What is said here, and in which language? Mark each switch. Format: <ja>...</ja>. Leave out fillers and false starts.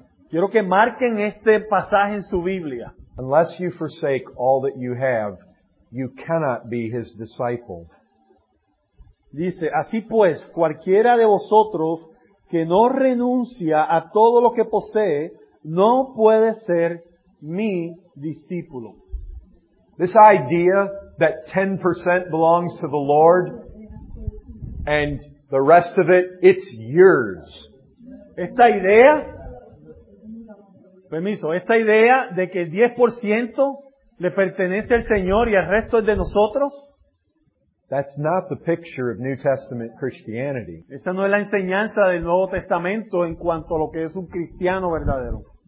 <es>Quiero que marquen este pasaje en su Biblia.</es> <en>Unless you forsake all that you have, you cannot be his disciple.</en> <es>Dice, así pues, cualquiera de vosotros que no renuncia a todo lo que posee, no puede ser mi discípulo.</es> <en>This idea that 10% belongs to the Lord and the rest of it, it's yours.</en> <es>Esta idea de que 10% le pertenece al Señor y el resto es de nosotros.</es> <en>That's not the picture of New Testament Christianity.</en> <es>Esa no es la enseñanza del Nuevo Testamento en cuanto a lo que es un cristiano verdadero.</es>